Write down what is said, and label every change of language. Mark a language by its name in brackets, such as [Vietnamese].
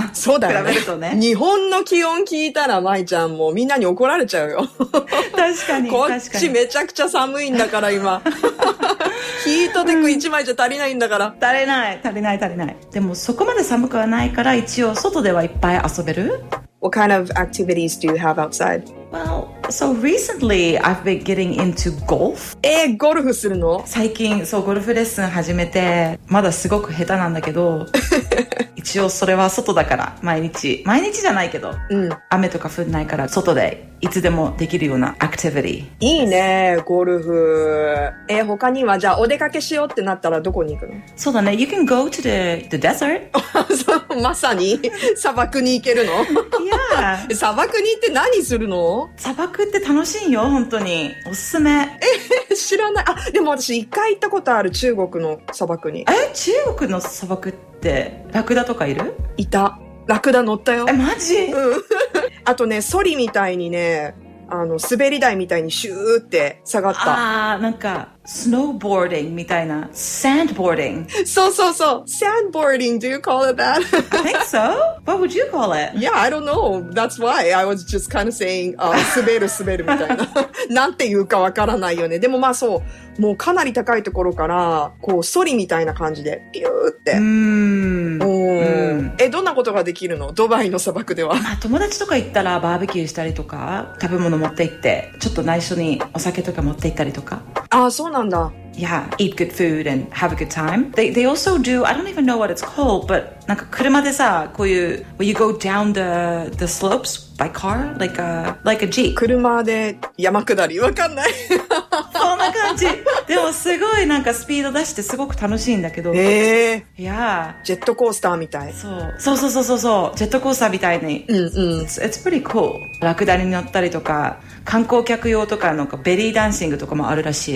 [Japanese] そうだよね。比べるとね。日本の気温聞いたら、舞ちゃんもみんなに怒られちゃうよ。確かに。こっちめちゃくちゃ寒いんだから、今。ヒートテック一枚じゃ足りないんだから。う足りない。でも、そこまで寒くはないから、一応、外ではいっぱい遊べる。 [English] What kind of activities do you have outside? Well, so recently I've been getting into golf. [Japanese] ゴルフするの？最近、そう、ゴルフレッスン始めて、まだすごく下手なんだけど、一応それは外だから、毎日じゃないけど、うん、雨とか降んないから、外でいつでもできるようなアクティビティ。いいね、ゴルフ。他には、じゃあお出かけしようってなったらどこに行くの？そうだね、 [English] You can go to the desert. [Japanese] まさに、砂漠に行けるの？ [English] Yeah. [Japanese] 砂漠に行って何するの？砂漠って楽しいよ、本当に。おすすめ。知らない。あ、でも私一回行ったことある、中国の砂漠に。中国の砂漠って、ラクダとかいる？いた。ラクダ乗ったよ。マジ？うん。あとね、ソリみたいにね、滑り台みたいにシューって下がった。あー、なんか、スノーボーディングみたいな。サンドボーディング。そうそうそう。サンドボーディング、 [English] do you call it that? I think so. What would you call it? Yeah, I don't know. That's why I was just kind of saying, [Japanese] 滑るみたいな。なんて言うかわからないよね。でもまあそう、もうかなり高いところから、こう、ソリみたいな感じで、ピューって。どんなことができるの？ドバイの砂漠では。まあ友達とか行ったらバーベキューしたりとか、食べ物持って行って、ちょっと内緒にお酒とか持って行ったりとか。ああ、そうなんだ。 [English] Yeah, eat good food and have a good time. They also do, I don't even know what it's called, but [Japanese] なんか車でさ、こういう、 [English] where you go down the slopes by car, like a Jeep. [Japanese] 車で山下り、わかんない。そんな感じ。でもすごいなんかスピード出してすごく楽しいんだけど。 [English] Yeah. [Japanese] ジェットコースターみたい。そう。ジェットコースターみたいに。うんうん。 [English] It's pretty cool. [Japanese] ラクダに乗ったりとか。観光客用とかなんかベリーダンシングとかもあるらしい。